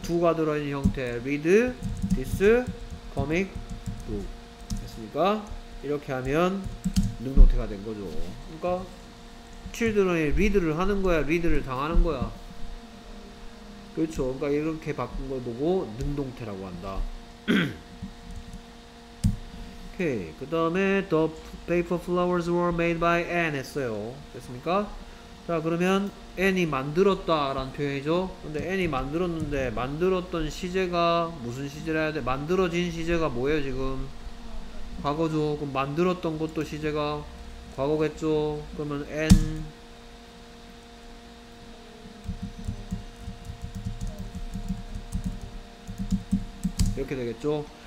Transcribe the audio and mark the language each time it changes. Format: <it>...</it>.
<ko>두가 들어있는 형태</ko> <en>read this comic book</en> <ko>됐습니까? 이렇게 하면 능동태가 된 거죠. 그러니까 children이 read를 하는 거야? read를 당하는 거야? 그렇죠. 그러니까 이렇게 바꾼 걸 보고 능동태라고 한다. 오케이. 그 다음에</ko> <en>the paper flowers were made by Anne</en> <ko>했어요. 됐습니까? 자, 그러면 Anne이 만들었다 라는 표현이죠. 근데 Anne이 만들었는데 만들었던 시제가 무슨 시제라 해야 돼? 만들어진 시제가 뭐예요 지금? 과거죠. 그럼 만들었던 것도 시제가 과거겠죠. 그러면 N 이렇게 되겠죠.</ko>